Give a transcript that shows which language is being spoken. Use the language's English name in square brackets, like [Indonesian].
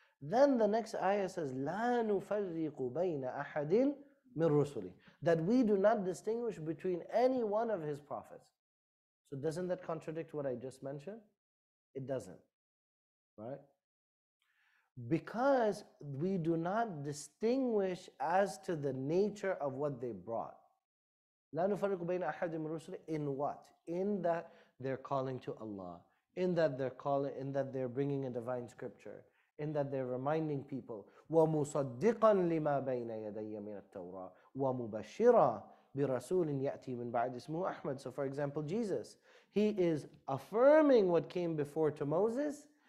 [English] Then the next ayah says, [Arabic] لا نفرق بين أحد من رسلي, [English] that we do not distinguish between any one of his prophets. So doesn't that contradict what I just mentioned? It doesn't, right? Because we do not distinguish as to the nature of what they brought. [Arabic] لا نفرق بين أحد من رسلي, [English] in what? In that they're calling to Allah, in that they're calling, in that they're bringing a divine scripture, in that they're reminding people, [Arabic] وَمُصَدِّقًا لِمَا بَيْنَ يَدَيَّ مِنَ التَّوْرَةِ وَمُبَشِّرًا بِرَسُولٍ يَأْتِي مِنْ بَعْدِ اسْمُهُ أَحْمَدٍ. [English] So for example, Jesus, he is affirming what came before to Moses,